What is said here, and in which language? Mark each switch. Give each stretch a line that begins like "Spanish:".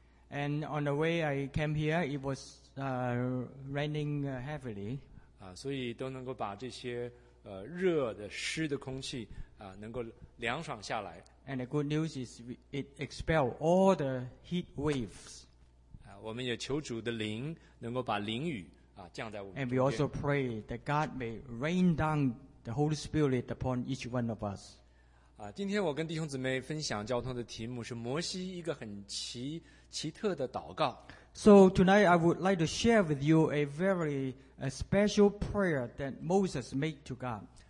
English: And on the way I came here, it was raining heavily.
Chinese: 所以都能够把这些热的湿的空气能够凉爽下来。
English: And the good news is it expelled all the heat waves.
Chinese: 我们也求主的灵能够把灵雨降在我们中间。
English: And we also pray that God may rain down the Holy Spirit upon each one of us.
Chinese: 今天我跟弟兄姊妹分享交通的题目是摩西一个很奇特的祷告。
English: So tonight I would like to share with you a very special prayer that Moses made to God.